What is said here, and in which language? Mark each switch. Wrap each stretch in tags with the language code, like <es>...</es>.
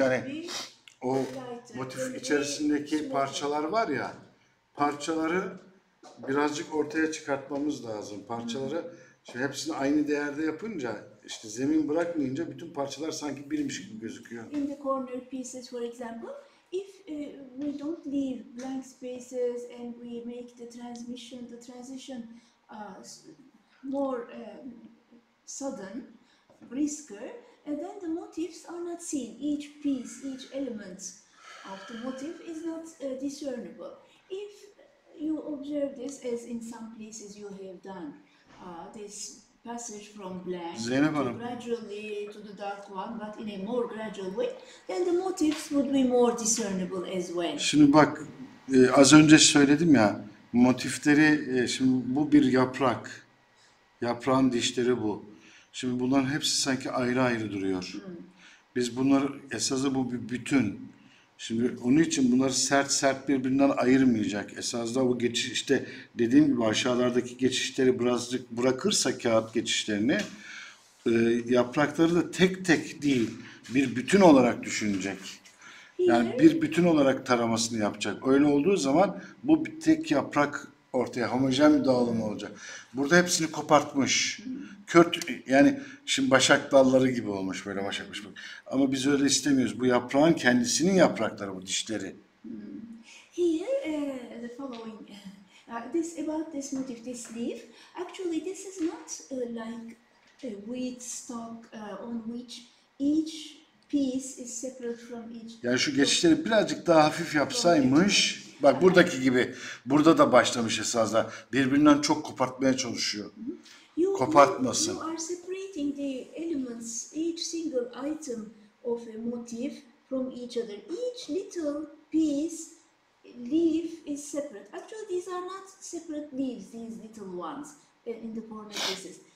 <tr>Yani o motif içerisindeki parçalar var ya, parçaları birazcık ortaya çıkartmamız lazım. Parçaları şey, hepsini aynı değerde yapınca İşte zemin bırakmayınca bütün parçalar sanki birmiş gibi gözüküyor.</tr> <en>In the corner pieces for example, if we don't leave blank spaces and we make the transition more sudden, brisker, and then the motifs are not seen. Each piece, each element of the motif is not discernible. If you observe this as in some places you have done this passage from blank</en> <tr>Zeynep Hanım,</tr> <en>to gradually to the dark one, but in a more gradual way, then the motifs would be more discernible as well.</en> <tr>Şimdi bak, az önce söyledim ya, motifleri, şimdi bu bir yaprak. Yaprağın dişleri bu. Şimdi bunların hepsi sanki ayrı ayrı duruyor. Biz bunları, esasında bu bir bütün. Şimdi onun için bunları sert sert birbirinden ayırmayacak. Esasında bu geçiş işte dediğim gibi aşağılardaki geçişleri birazcık bırakırsa kağıt geçişlerini yaprakları da tek tek değil bir bütün olarak düşünecek. Yani bir bütün olarak taramasını yapacak. Öyle olduğu zaman bu bir tek yaprak ortaya homojen bir dağılım olacak. Burada hepsini kopartmış. Kört yani şimdi başak dalları gibi olmuş böyle başakmış. Ama biz öyle istemiyoruz. Bu yaprağın kendisinin yaprakları bu dişleri.</tr> <en>Here the following this about this motif, this leaf. Actually this is not like a wheat stalk on which each piece is separate from each.</en> <tr>Yani şu geçişleri birazcık daha hafif yapsaymış. Bak buradaki gibi burada da başlamış esasında birbirinden çok kopartmaya çalışıyor. Kopartmasın.</tr> <en>You are separating the elements, each single item of a motif from each other. Each little piece, leaf is separate. Actually these are not separate leaves, these little ones in the corner pieces.</en>